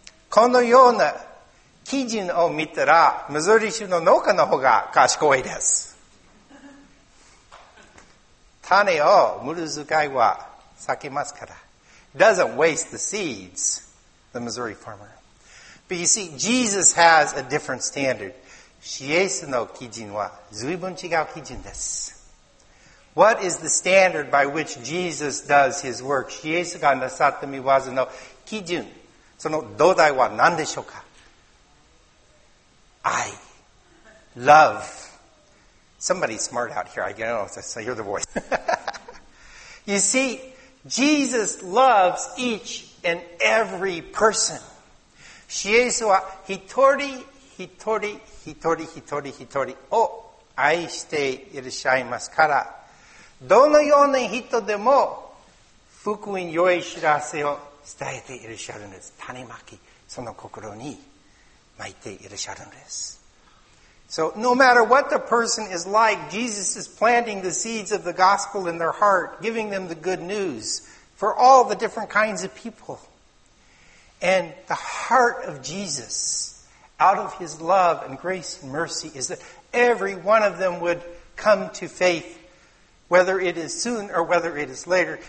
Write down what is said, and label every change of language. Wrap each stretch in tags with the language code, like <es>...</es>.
<ja>このような基準を見たら、ミズーリ州の農家の方が賢いです。種を無駄遣いは避けますから。</ja> <en>Doesn't waste the seeds, the Missouri farmer. But you see, Jesus has a different standard.</en> <ja>イエスの基準は随分違う基準です。</ja> <en>What is the standard by which Jesus does his work?</en> <ja>イエスがなさった御業の基準、その土台は何でしょうか？愛。</ja> <en>Love. Somebody's smart out here. I don't know if I hear the voice. You see, Jesus loves each and every person.</en> <ja>イエスは一人一人一人一人一人を愛していらっしゃいますから、どのような人でも福音良い知らせを伝えていらっしゃるんです。種まき、その心に巻いていらっしゃるんです。</ja> <en>So no matter what the person is like, Jesus is planting the seeds of the gospel in their heart, giving them the good news for all the different kinds of people. And the heart of Jesus, out of his love and grace and mercy, is that every one of them would come to faith, whether it is soon or whether it is later.</en>